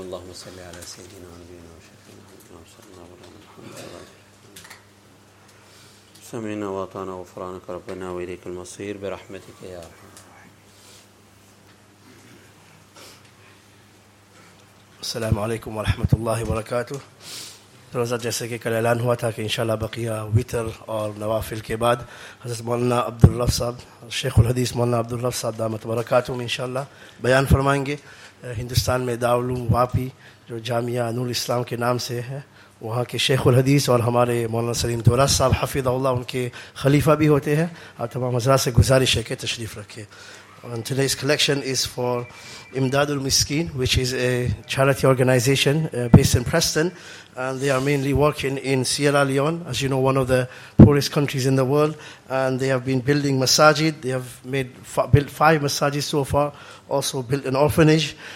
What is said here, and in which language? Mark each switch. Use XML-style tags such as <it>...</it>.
<ar>اللهم صل على سيدنا ونبينا وشفينا وصلنا ورحمة الله وبركاته. سمعنا وأطعنا غفرانك ربنا وإليك المصير برحمتك يا أرحم الراحمين. السلام عليكم ورحمة الله وبركاته.</ar> <ur>روزہ جیسے کہ کل اعلان ہوا تھا کہ انشاءاللہ بقیہ وتر اور نوافل کے بعد حضرت مولانا عبدالرف صاحب شیخ الحدیث مولانا عبدالرف صاحب دامت برکاتہم انشاءاللہ بیان فرمائیں گے. ہندوستان میں دارالعلوم واپی جو جامعہ نور اسلام کے نام سے ہے وہاں کے شیخ الحدیث اور ہمارے مولانا سلیم دوراس صاحب حفظہ اللہ ان کے خلیفہ بھی ہوتے ہیں. آپ تمام حضرات سے گزارش ہے کہ تشریف رکھے.</ur> <en>And today's collection is for Imdadul Miskeen, which is a charity organization based in Preston. And they are mainly working in Sierra Leone, as you know, one of the poorest countries in the world. And they have been building masajid. They have made built five masajids so far, also built an orphanage.</en>